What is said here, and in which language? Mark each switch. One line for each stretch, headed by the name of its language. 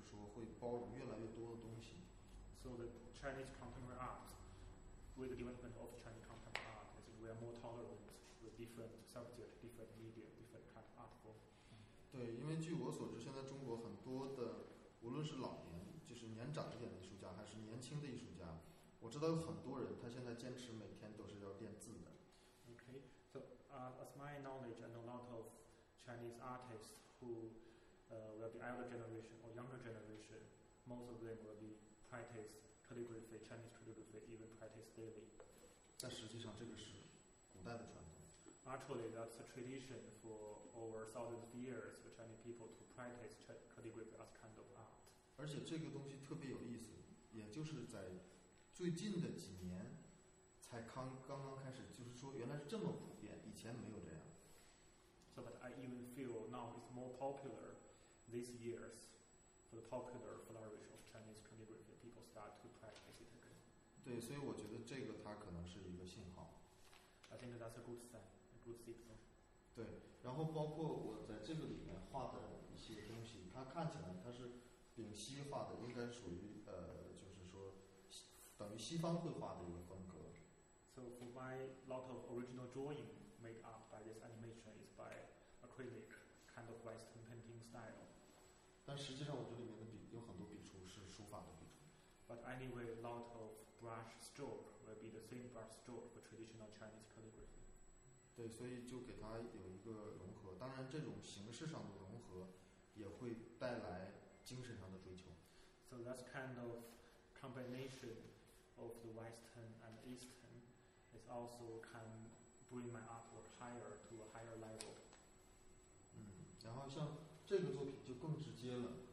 Chinese: 对，然后慢慢的，就中国的这个当代艺术它的一个发展，我觉得它可能就是说会包容越来越多的东西。
English: So the Chinese contemporary art, with the development of Chinese contemporary art, I think we are more tolerant with different subject, different media, different kind of art form.
Chinese: 对，因为据我所知，现在中国很多的，无论是老年，就是年长一点的艺术家，还是年轻的艺术家。我知道有很多人，他现在坚持每天都是要练字的。
English: Okay, so as my knowledge, I know a lot of Chinese artists who will be elder generation or younger generation. Most of them will be practice calligraphy, Chinese calligraphy, even practice daily.
Chinese: 但实际上，这个是古代的传统。
English: Actually, that's a tradition for over thousands of years for Chinese people to practice calligraphy as kind of art.
Chinese: 而且这个东西特别有意思，也就是在最近的几年才刚刚开始，就是说原来是这么普遍，以前没有这样。
English: So, but I even feel now it's more popular these years for the popular flourish of Chinese calligraphy. People start to practice it again.
Chinese: 对，所以我觉得这个它可能是一个信号。
English: I think that's a good sign.
Chinese: 对，然后包括我在这个里面画的一些东西，它看起来它是丙烯画的，应该属于就是说等于西方绘画的一个风格。
English: So for my lot of original drawing made up by this animation is by acrylic kind of Western painting style.
Chinese: 但实际上我这里面的笔有很多笔触是书法的笔触。
English: But anyway, lot of brush stroke will be the same brush stroke for traditional Chinese calligraphy.
Chinese: 对，所以就给它有一个融合。当然，这种形式上的融合也会带来精神上的追求。
English: So that kind of combination of the Western and Eastern is also can bring my artwork higher to a higher level.
Chinese: 嗯，然后像这个作品就更直接了。